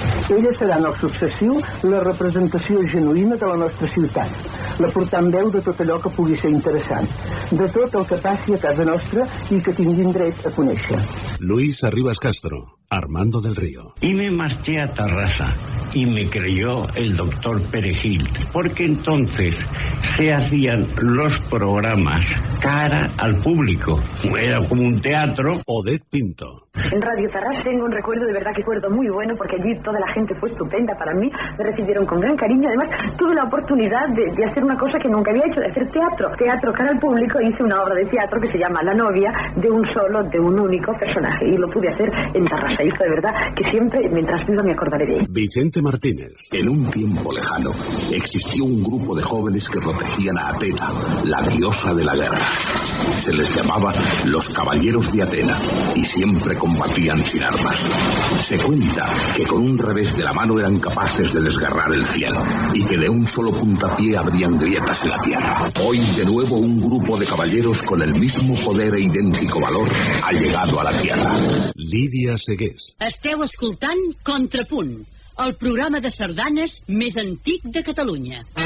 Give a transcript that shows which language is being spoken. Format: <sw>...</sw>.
<ca>Ella serà en el successiu la representació genuïna de la nostra ciutat, la portant veu de tot allò que pugui ser interessant, de tot el que passi a casa nostra i que tinguin dret a conèixer.</ca> <es>Luis Arribas Castro, Armando del Río. Y me marché a Terrassa y me creyó el doctor Perejil, porque entonces se hacían los programas cara al público. Era como un teatro. Odette Pinto. En Radio Terrassa tengo un recuerdo, de verdad que recuerdo muy bueno, porque allí toda la gente fue estupenda para mí, me recibieron con gran cariño. Además, tuve la oportunidad de hacer una cosa que nunca había hecho, de hacer teatro. Teatro cara al público, hice una obra de teatro que se llama La novia, de un solo, de un único personaje, y lo pude hacer en Terrassa. Y fue, de verdad, que siempre, mientras viva, me acordaré de él. Vicente Martínez. En un tiempo lejano, existió un grupo de jóvenes que protegían a Atena, la diosa de la guerra. Se les llamaba los Caballeros de Atena, y siempre combatían sin armas. Se cuenta que con un revés de la mano eran capaces de desgarrar el cielo y que de un solo puntapié abrían grietas en la tierra. Hoy, de nuevo, un grupo de caballeros con el mismo poder e idéntico valor ha llegado a la tierra. Lídia Segués.</es> <ca>Esteu escoltant Contrapunt, el programa de sardanes més antic de Catalunya.</ca>